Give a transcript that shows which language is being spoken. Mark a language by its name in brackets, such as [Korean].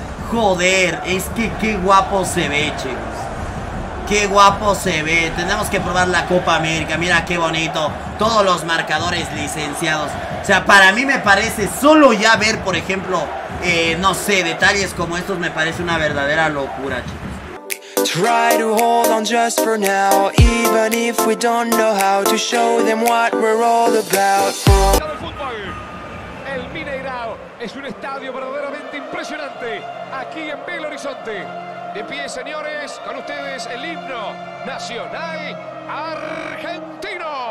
[Spanish] Joder, es que qué guapo se ve, chicos. Qué guapo se ve. Tenemos que probar la Copa América. Mira qué bonito. Todos los marcadores licenciados. O sea, para mí me parece solo ya ver, por ejemplo, no sé, detalles como estos me parece una verdadera locura, chicos. [English] Try to hold on just for now, even if we don't know how to show them what we're all about. [Spanish] El fútbol, el Mineirao, es un estadio verdaderamente impresionante aquí en Belo Horizonte. De pie, señores, con ustedes el himno nacional argentino.